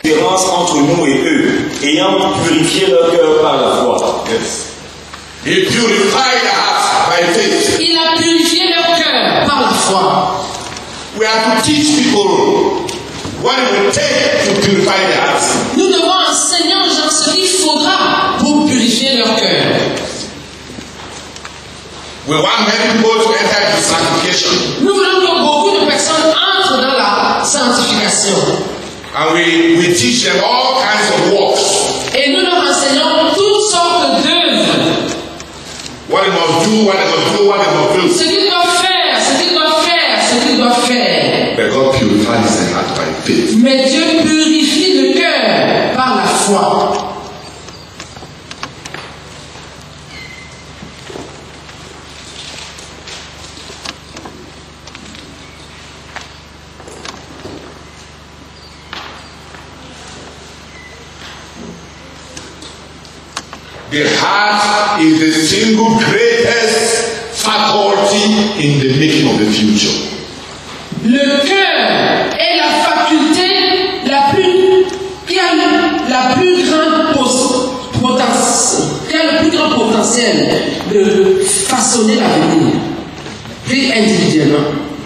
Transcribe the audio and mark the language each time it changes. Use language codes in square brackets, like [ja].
[fr] Différence entre nous et eux, ayant purifié leur cœur par la foi. [en] Yes. He purified us by faith. [fr] Il a purifié leur cœur par la foi. [en] We have to teach people what it will take to purify their hearts. [fr] Nous devons enseigner aux gens ce qu'il faudra pour purifier leur cœur. [en] We want many people to enter the sanctification. [fr] Nous voulons que beaucoup de personnes entrent dans la sanctification. [en] And we teach them all kinds of works. [fr] Et nous leur enseignons toutes sortes d'œuvres. [en] What they must do, what they must do, what they must do. [fr] Ce qu'ils doivent faire, ce qu'ils doivent faire, ce qu'ils doivent faire. [en] But God purifies their heart by faith. [fr] Mais Dieu purifie le cœur par la foi. [en] The heart is the single greatest faculty in the making of the future. [fr] Le cœur est la faculté la plus qui a la plus grande potentiel, qui a le plus grand potentiel de façonner l'avenir, plus individuellement.